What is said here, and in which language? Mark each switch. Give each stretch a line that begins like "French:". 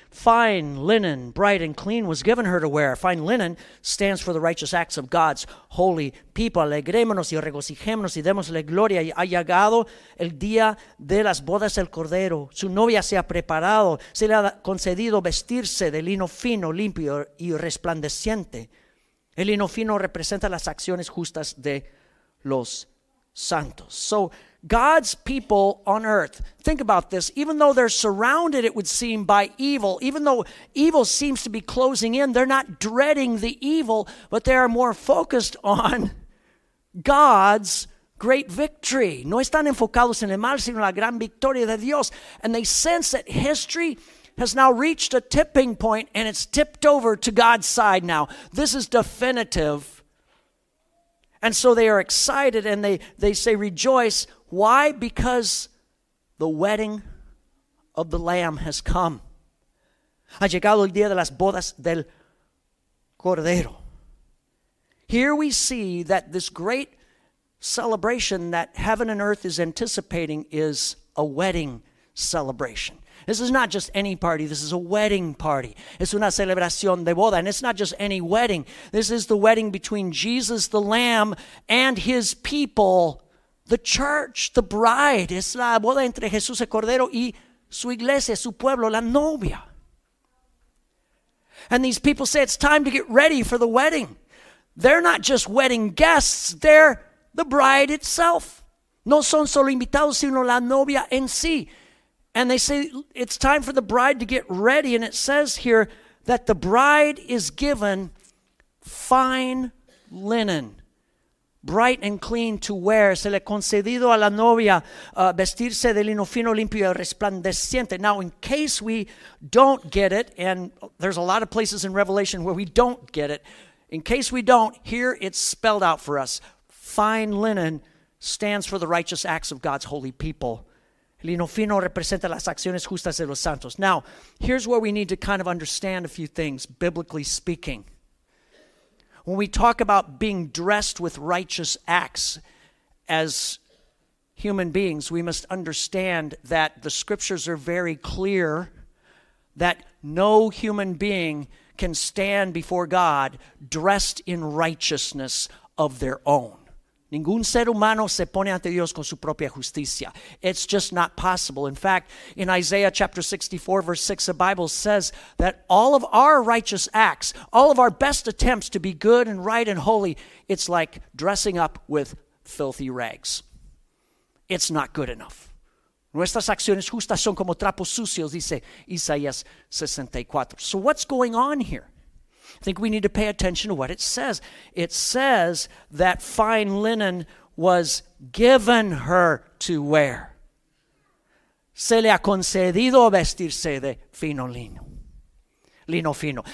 English: Fine linen, bright and clean, was given her to wear." Fine linen stands for the righteous acts of God's holy people.
Spanish: Alegrémonos y regocijémonos y démosle gloria. Ha llegado el día de las bodas del Cordero. Su novia se ha preparado. Se le ha concedido vestirse de lino fino, limpio y resplandeciente. El lino fino representa las acciones justas de los santos.
English: So God's people on earth, think about this, even though they're surrounded, it would seem, by evil, even though evil seems to be closing in, they're not dreading the evil, but they are more focused on God's great victory.
Spanish: No están enfocados en el mal, sino en la gran victoria de Dios.
English: And they sense that history has now reached a tipping point and it's tipped over to God's side now. This is definitive. And so they are excited and they say, rejoice. Why? Because the wedding of the Lamb has come.
Spanish: Ha llegado el día de las bodas del Cordero.
English: Here we see that this great celebration that heaven and earth is anticipating is a wedding celebration. This is not just any party. This is a wedding party.
Spanish: Es una celebración de boda.
English: And it's not just any wedding. This is the wedding between Jesus the Lamb and his people, the church, the bride.
Spanish: Es la boda entre Jesús el Cordero y su iglesia, su pueblo, la novia.
English: And these people say it's time to get ready for the wedding. They're not just wedding guests. They're the bride itself.
Spanish: No son solo invitados, sino la novia en sí.
English: And they say it's time for the bride to get ready. And it says here that the bride is given fine linen, bright and clean to wear.
Spanish: Se le concedido a la novia vestirse de lino fino, limpio y resplandeciente.
English: Now, in case we don't get it, and there's a lot of places in Revelation where we don't get it, in case we don't, here it's spelled out for us. Fine linen stands for the righteous acts of God's holy people.
Spanish: Lino fino representa las acciones justas de los santos.
English: Now, here's where we need to kind of understand a few things, biblically speaking. When we talk about being dressed with righteous acts as human beings, we must understand that the scriptures are very clear that no human being can stand before God dressed in righteousness of their own.
Spanish: Ningún ser humano se pone ante Dios con su propia justicia.
English: It's just not possible. In fact, in Isaiah chapter 64, verse 6, the Bible says that all of our righteous acts, all of our best attempts to be good and right and holy, it's like dressing up with filthy rags. It's not good enough.
Spanish: Nuestras acciones justas son como trapos sucios, dice Isaías 64.
English: So what's going on here? I think we need to pay attention to what it says. It says that fine linen was given her to wear.
Spanish: Se le ha concedido vestirse de fino lino. Lino fino.